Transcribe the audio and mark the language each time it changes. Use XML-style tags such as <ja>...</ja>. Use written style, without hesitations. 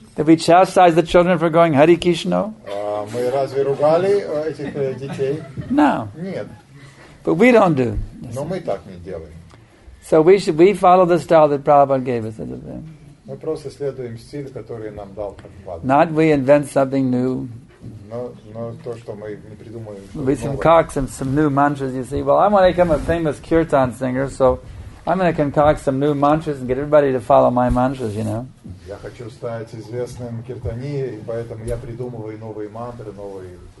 <en>Did we chastise the children for going Hare Krishna?</en> <ru>Мы разве ругали этих детей?</ru> <en>No.</en> <ru>Нет.</ru> <en>But we don't do.</en> <ru>Но мы так не делаем.</ru> <en>So we follow the style that Prabhupada gave us.</en> <ru>Мы просто следуем стилю, который нам дал Прабхупада.</ru> <en>Not we invent something new.</en> <ru>Но то, что мы не придумаем.</ru> <en>With some cocks and some new mantras, you see. Well, I want to become a famous kirtan singer, so I'm going to concoct some new mantras and get everybody to follow my mantras, you know.</en> <ru>Я хочу стать известным киртани, поэтому я придумываю новые мантры, новые.</ru>